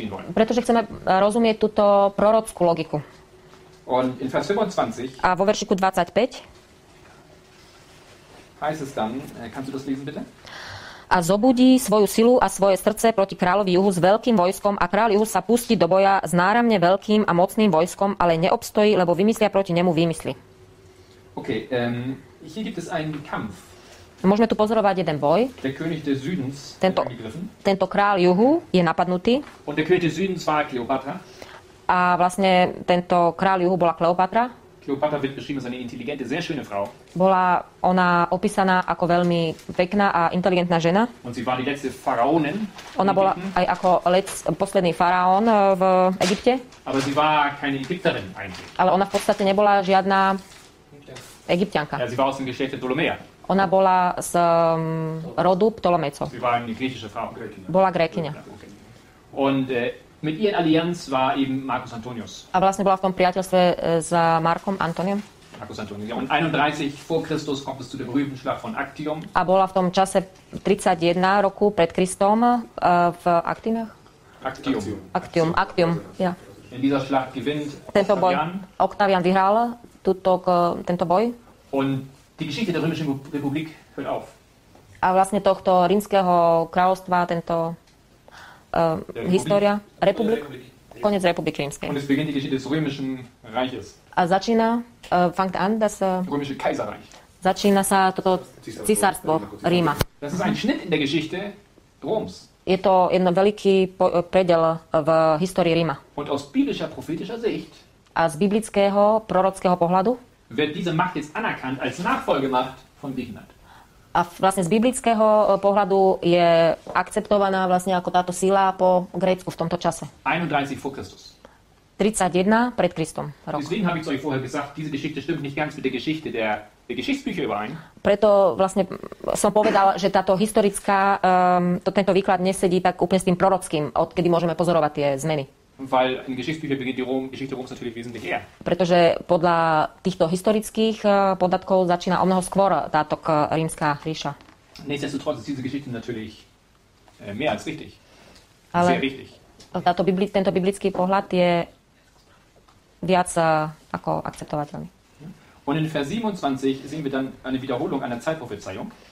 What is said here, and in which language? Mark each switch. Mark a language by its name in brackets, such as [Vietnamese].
[Slovak] Pretože chceme rozumieť túto prorockú logiku. [German] Und in Vers 25 [Slovak] a vo veršiku 25 [German] heißt es dann, kannst du das lesen, bitte? [Slovak] A zobudí svoju silu a svoje srdce proti kráľovi juhu s veľkým vojskom a kráľ juhu sa pustí do boja s náramne veľkým a mocným vojskom, ale neobstojí, lebo vymyslia proti nemu výmysly. [German] Ok, hier gibt es einen Kampf. [Slovak] Môžeme tu pozorovať jeden boj. [German] Der König des Südens [Slovak] tento kráľ juhu je napadnutý. [German] Und der König des Südens war Kleopatra. [Slovak] A vlastne tento kráľ juhu bola Kleopatra. [German] Kleopatra wird beschrieben als eine intelligente, sehr schöne Frau. [Slovak] Bola ona opísaná ako veľmi pekná a inteligentná žena. [German] Und sie war die letzte Pharaonin. [Slovak] Ona bola aj ako posledný faraón v Egypte. [German] Aber sie war keine Ägypterin eigentlich. [Slovak] Ale ona v podstate nebola žiadna Egyptianka. [German] Ja, sie war aus dem Geschlecht der Ptolemäer. [Slovak] Ona bola z rodu Ptolemejco. Bola Grékyňa. [German] Und mit ihr Allianz war eben Marcus Antonius. [Slovak] A vlastne bola v tom priateľstve s Markom Antoniom. Marcus Antonius. [German] Und 31 vor Christus kommt es zu der berühmten Schlacht von Actium. [Slovak] A bola v tom čase 31 roku pred Kristom v Actiumach. Actium. [German] Ja. In dieser Schlacht gewinnt Octavian. [Slovak] Octavian vyhral tento boj. [German] Und die Geschichte der römischen Republik hört auf. [Slovak] A vlastne tohto rímskeho kráľovstva tento história republik koniec republiky rímskej. [German] Und es beginnt die Geschichte des römischen Reiches. [Slovak] A začína [German] fängt an das römische Kaiserreich. [Slovak] Začína sa toto cisárstvo Ríma. [German] Das ist ein Schnitt in der Geschichte Roms. [Slovak] Je to jeden veľký predel v histórii Ríma. [German] Und aus biblischer prophetischer Sicht. [Slovak] A z biblického prorockého pohľadu [German] wird diese Macht jetzt anerkannt als Nachfolgemacht von Bignat. [Slovak] A vlastne z biblického pohľadu je akceptovaná vlastne ako táto sila po Grécku v tomto čase. [German] 31 vor Christus. [Slovak] 31 pred Kristom rok. [German] Deswegen habe ich zu euch vorher gesagt, diese Geschichte stimmt nicht ganz mit der Geschichte der Geschichtsbücher überein. [Slovak] Preto vlastne som povedal, že táto historická tento výklad nesedí tak úplne s tým prorockým, odkedy môžeme pozorovať tie zmeny. [German] Weil in Geschichtsbüchern beginnt die Geschichte Roms natürlich wesentlich eher. [Slovak] Pretože podľa týchto historických podatkov začína o mnoho skôr táto rímska ríša. [German] Nichtsdestotrotz ist diese Geschichte natürlich mehr als richtig. Sehr wichtig. [Slovak] Tento biblický pohľad je viac ako akceptovateľný. [German] Und in Vers 27 sehen wir dann eine Wiederholung einer Zeitprophezeiung.